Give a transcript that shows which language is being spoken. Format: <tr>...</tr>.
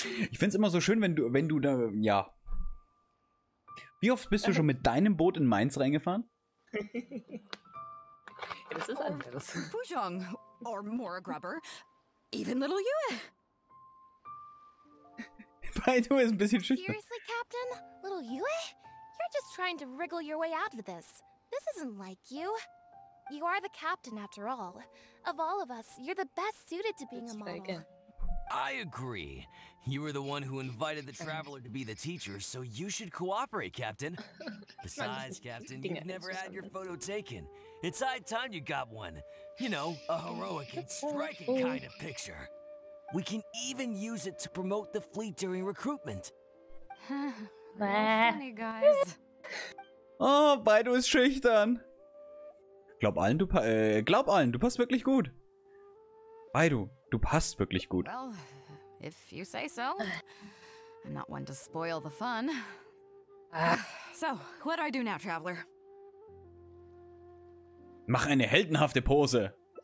<de>Ich find's immer so schön, wenn du da, ja. Wie oft bist du schon mit deinem Boot in Mainz reingefahren? Ja, das ist anders.</de> <en>Fujong or Mora Grubber, even little Yue.</en> <de>Beidou ist ein bisschen schüchtern.</de> <en>Seriously, Captain, little Yue, you're just trying to wriggle your way out of this. This isn't like you. You are the captain, after all. Of all of us, you're the best suited to being a model. I agree. You were the one who invited the Traveler to be the teacher, so you should cooperate, Captain. Besides, Captain, you've never had your photo taken. It's high time you got one. You know, a heroic and striking kind of picture. We can even use it to promote the fleet during recruitment. Funny, guys.</en> <de>Oh, Beidou ist schüchtern. Glaub allen, du passt wirklich gut. Beidou, du passt wirklich gut.</de> <en>Well, if you say so. I'm not one to spoil the fun. So, what do I do now, Traveler?</en> <de>Mach eine heldenhafte Pose.</de>